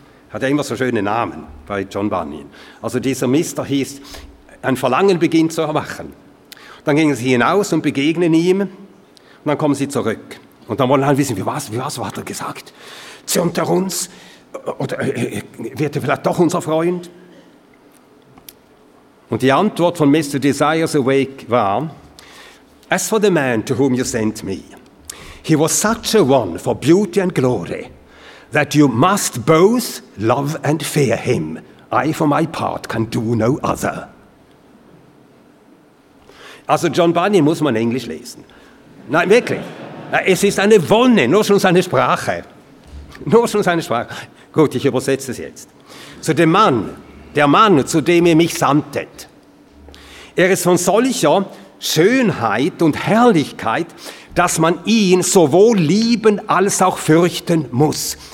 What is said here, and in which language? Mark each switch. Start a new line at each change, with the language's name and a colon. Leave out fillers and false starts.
German: Hat ja immer so schöne Namen bei John Bunyan. Also dieser Mister hieß, ein Verlangen beginnt zu erwachen. Dann gingen sie hinaus und begegnen ihm und dann kommen sie zurück. Und dann wollen alle wissen, wie war's, was hat er gesagt? Zürnt er uns? Oder wird er vielleicht doch unser Freund? Und die Antwort von Mr.
English: Desires Awake war: As for the man to whom you sent me, he was such a one for beauty and glory that you must both love and fear him. I, for my part, can do no other.
German: Also John Bunyan muss man Englisch lesen. Nein, wirklich. Es ist eine Wonne, nur schon seine Sprache. Nur schon seine Sprache. Gut, ich übersetze es jetzt. Zu dem Mann, der Mann, zu dem ihr mich sandtet. Er ist von solcher Schönheit und Herrlichkeit, dass man ihn sowohl lieben als auch fürchten muss.